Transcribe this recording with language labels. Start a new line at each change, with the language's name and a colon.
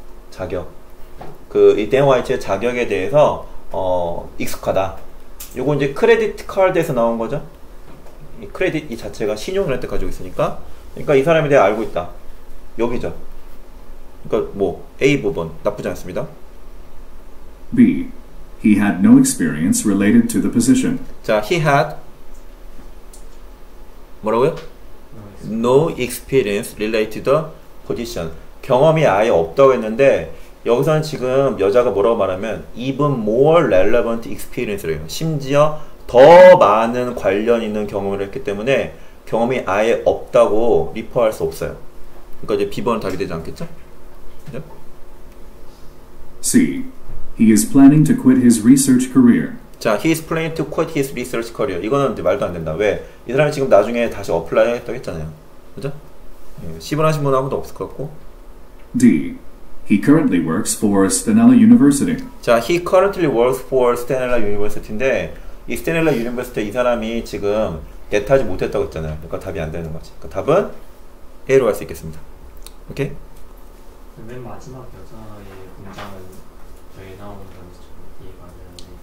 Korean: 자격. 그 이 댄 화이트의 자격에 대해서 익숙하다. 요거 이제 크레딧 카드에서 나온 거죠. 이 크레딧 이 자체가 신용을 할 때 가지고 있으니까. 그러니까 이 사람에 대해 알고 있다. 여기죠. 그러니까 뭐 A 부분 나쁘지 않습니다.
English: B. He had no experience related to the position. 자, he had
Korean: 뭐라고요?
English: No experience related to the position.
Korean: 경험이 아예 없다고 했는데 여기서는 지금 여자가 뭐라고 말하면
English: even more relevant experience
Korean: 래요. 심지어 더 많은 관련 있는 경험을 했기 때문에 경험이 아예 없다고 리퍼할 수 없어요. 그러니까 이제 비번을 달게 되지 않겠죠? 그죠?
English: C. He is planning to quit his research career. 자, he is planning to quit his research career.
Korean: 이거는 이제 말도 안 된다. 왜? 이 사람이 지금 나중에 다시 어플라이 했다고 했잖아요. 그죠? 시분하신 분 아무도 없을 것 같고
English: D. He currently works for Stanella University.
Korean: 자,
English: he currently works for Stanella University
Korean: 인데 이 Stanella University 이 사람이 지금 대타지 못했다고 했잖아요. 그러니까 답이 안 되는 거지. 그 답은 A로 할 수 있겠습니다. 오케이? 맨 마지막 여자의 문장은 여기 나오는 건지 이해가 안 되는데